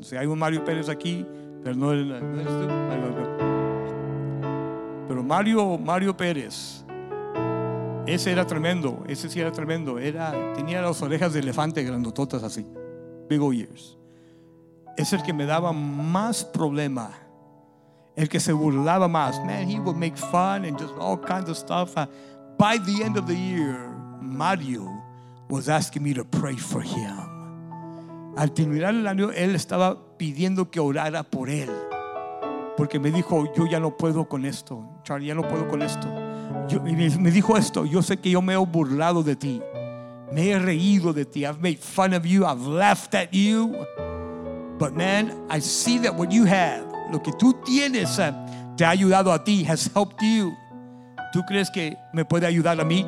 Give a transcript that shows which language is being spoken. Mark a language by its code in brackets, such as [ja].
[es] O sea, hay un Mario Pérez aquí, pero no es tú. Pero Mario Pérez, ese era tremendo, ese sí era tremendo. Tenía las orejas de elefante grandototas así, [en] big old ears. [es] Es el que me daba más problema, el que se burlaba más. [en] Man, he would make fun and just all kinds of stuff. By the end of the year, Mario was asking me to pray for him. [es] Al terminar el año, él estaba pidiendo que orara por él. Porque me dijo, yo ya no puedo con esto, Charlie, ya no puedo con esto. Me dijo esto, yo sé que yo me he burlado de ti. Me he reído de ti. [en] I've made fun of you. I've laughed at you. But man, I see that what you have, [es] lo que tú tienes, te ha ayudado a ti, [en] has helped you. [es] ¿Tú crees que me puede ayudar a mí?